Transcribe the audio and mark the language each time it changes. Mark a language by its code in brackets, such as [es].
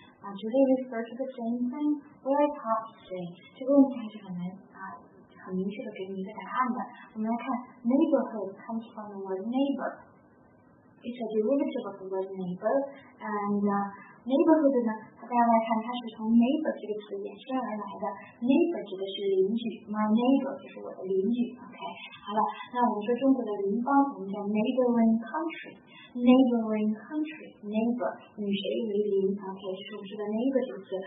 [en] 啊 ，do they refer to the same thing? Where is hard to say？ [zh] 这个问题还是很难啊，很明确的给你一个答案的。我们来看 [en] ，neighborhood comes from the word neighbor。 It's a derivative of the word neighbor， and neighborhood 呢？ [zh] 大家来看，它是从 neighbor 这个词衍生而来的。neighbor 指的是邻居 ， [en] my neighbor 就是我的邻居。 [zh] OK， 好了，那我们说中国的邻邦，我们叫 neighboring country， neighboring country， neighbor 与谁为邻 ？OK， 是我们说的 neighbor 这个词。